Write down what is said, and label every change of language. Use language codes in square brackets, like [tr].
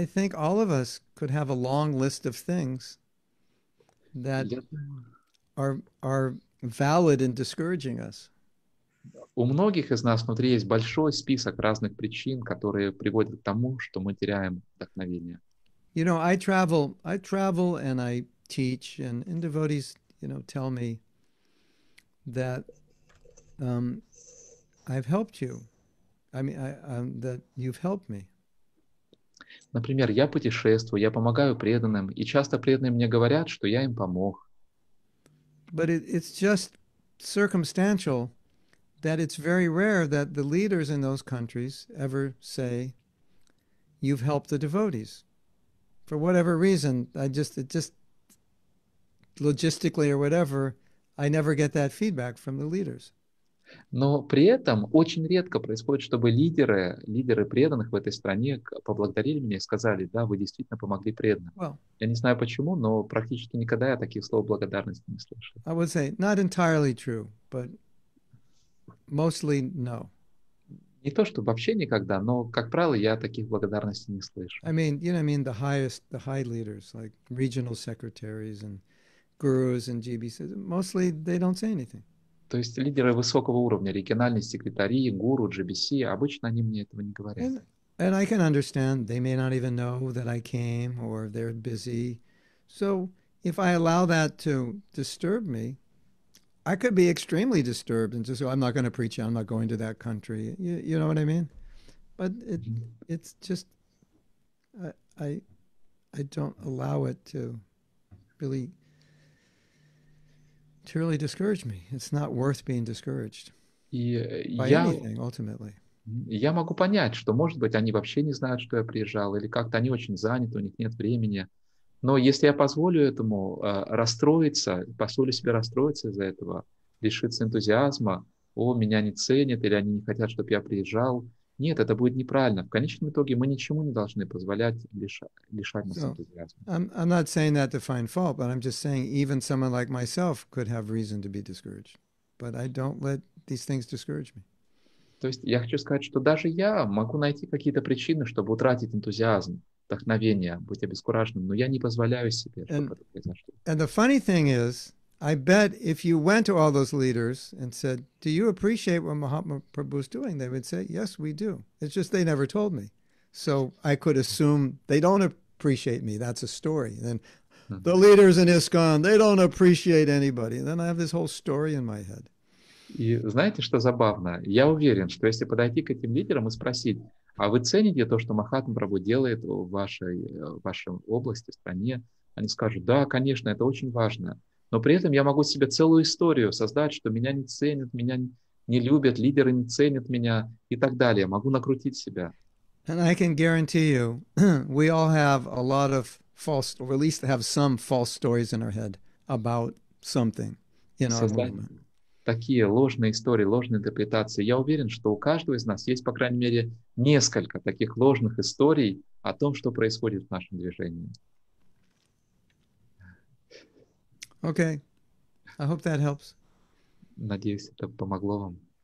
[en] I think all of us could have a long list of things that are valid in discouraging us. [ru] У многих из нас внутри есть большой список разных причин, которые приводят к тому, что мы теряем вдохновение. [en] You know, I travel and I teach, and devotees, you know, tell me that I've helped you. I mean, that you've helped me. [ru] Например, я путешествую, я помогаю преданным, и часто преданные мне говорят, что я им помог. [en] But it's just circumstantial. That it's very rare that the leaders in those countries ever say, "You've helped the devotees." For whatever reason, it just logistically or whatever, I never get that feedback from the leaders. [ru] Но при этом очень редко происходит, чтобы лидеры преданных в этой стране поблагодарили меня и сказали, да, вы действительно помогли преданным. [en] Well, [ru] я не знаю почему, но практически никогда я таких слов благодарности не слышал. [en] I would say not entirely true, but mostly no. [ru] Не то, что вообще никогда, но, как правило, я таких благодарностей не слышу. [en] I mean, you know, I mean the high leaders, like regional secretaries and gurus and GBs, mostly they don't say anything. [ru] То есть лидеры высокого уровня, региональные секретари, гуру, GBC, обычно они мне этого не говорят. [en] And I can understand, they may not even know that I came or they're busy. So if I allow that to disturb me, I could be extremely disturbed and just say, I'm not going to preach, I'm not going to that country. You know what I mean? But it's just, I don't allow it to really discourage me. It's not worth being discouraged by anything, ultimately. [ru] Я могу понять, что, может быть, они вообще не знают, что я приезжал, или как-то они очень заняты, у них нет времени. Но если я позволю этому расстроиться, позволю себе расстроиться из-за этого, лишиться энтузиазма, меня не ценят, или они не хотят, чтобы я приезжал. Нет, это будет неправильно. В конечном итоге мы ничему не должны позволять лишать нас энтузиазма. [en] I'm not saying that to find fault, but I'm just saying even someone like myself could have reason to be discouraged. But I don't let these things discourage me. [ru] То есть я хочу сказать, что даже я могу найти какие-то причины, чтобы утратить энтузиазм. Вдохновение, быть обескураженным, но я не позволяю себе, чтобы это произошло. [en] And the funny thing is, I bet if you went to all those leaders and said, do you appreciate what Mahatma Prabhu is doing? They would say, yes, we do. It's just they never told me. So I could assume they don't appreciate me. That's a story. And then the leaders in ISKCON, they don't appreciate anybody. And then I have this whole story in my head. [ru] И знаете, что забавно? Я уверен, что если подойти к этим лидерам и спросить, а вы цените то, что Махатма Прабху делает в вашей области, стране? Они скажут, да, конечно, это очень важно. Но при этом я могу себе целую историю создать, что меня не ценят, меня не любят, лидеры не ценят меня и так далее. Могу накрутить себя. [en] And I can guarantee you, we all have a lot of false, or at least have some false stories in our head about something in our moment. [ru] Такие ложные истории, ложные интерпретации. Я уверен, что у каждого из нас есть, по крайней мере, несколько таких ложных историй о том, что происходит в нашем движении. [en] Okay. I hope that helps. [ru] Надеюсь, это помогло вам.